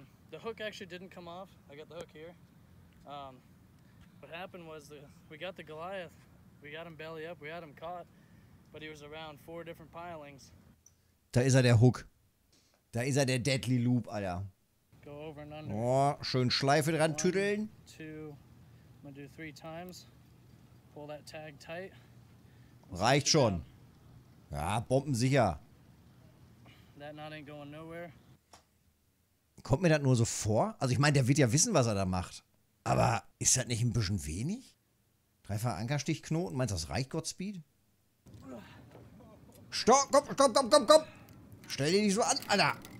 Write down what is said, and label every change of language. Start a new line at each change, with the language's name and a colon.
English: The hook actually didn't come off. I got the hook here. What happened was we got the Goliath, we got him belly up, we had him caught, but he was around four different pilings.
German: Da ist er, der Hook. Da ist er, der Deadly Loop, Alter.
English: Go over and under.
German: Oh, schön Schleife dran tüdeln.
English: One, two, I'm gonna do three times. Pull that tag tight.
German: Reicht schon. Ja, bombensicher.
English: That knot ain't going nowhere.
German: Kommt mir das nur so vor? Also ich meine, der wird ja wissen, was er da macht. Aber ist das nicht ein bisschen wenig? Dreifach Ankerstichknoten? Meinst du, das reicht Godspeed? Stopp! Stell dir nicht so an, Alter!